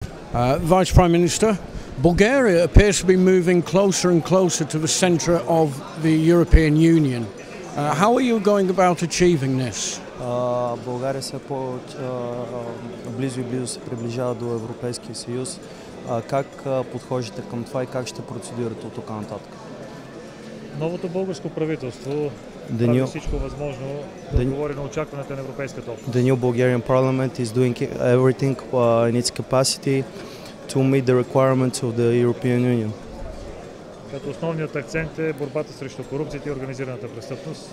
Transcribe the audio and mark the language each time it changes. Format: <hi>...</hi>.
<en>Vice Prime Minister, Bulgaria appears to be moving closer and closer to the centre of the European Union. How are you going about achieving this?</en> <bg>България се по-близо и близо се приближава до Европейския съюз. Как подхождате към това и как ще процедирате от тук нататък? Новото българско правителство прави всичко възможно да отговори на очакванията на европейската общност.</bg> <en>The new Bulgarian parliament is doing everything in its capacity to meet the requirements of the European Union.</en> <bg>Като основният акцент е борбата срещу корупцията и организираната престъпност.</bg>